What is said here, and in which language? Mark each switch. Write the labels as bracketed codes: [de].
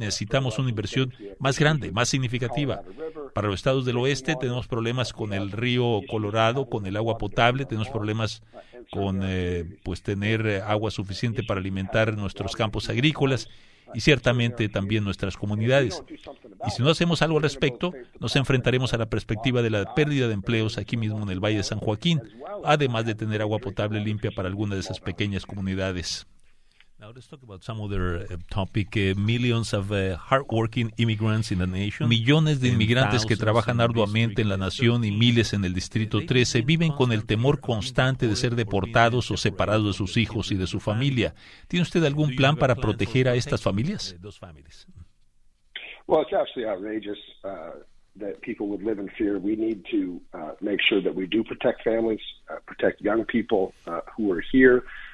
[es] Necesitamos una inversión más grande, más significativa. Para los estados del oeste tenemos problemas con el río Colorado, con el agua potable, tenemos problemas con tener agua suficiente para alimentar nuestros campos agrícolas y ciertamente también nuestras comunidades. Y si no hacemos algo al respecto, nos enfrentaremos a la perspectiva de la pérdida de empleos aquí mismo en el Valle de San Joaquín, además de tener agua potable limpia para algunas de esas pequeñas comunidades. [en] Now let's talk about some other topic. Millions of hardworking immigrants in the nation. [es] Millones de inmigrantes que trabajan arduamente en la nación y miles en el Distrito 13 viven con el temor constante de ser deportados o separados de sus hijos y de su familia. ¿Tiene usted algún plan para proteger a estas familias? [en] Well, it's absolutely outrageous that people would live in fear. We need to make sure that we do protect families, protect young people who are here.